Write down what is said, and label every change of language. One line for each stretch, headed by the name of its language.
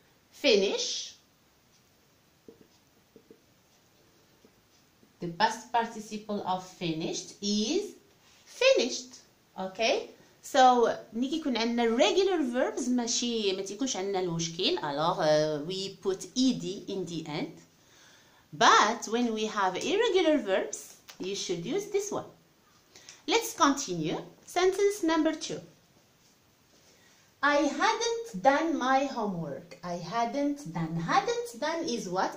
English: Finish, the past participle of finished is finished. Okay, so
Arabic: ملي كيكون عندنا
English: regular verbs
Arabic: ماشي ما تيكونش عندنا المشكل.
English: Alors we put ed in the end. But when we have irregular verbs, you should use this one. Let's continue. Sentence number two. I hadn't done my homework. I hadn't done. Hadn't done is what?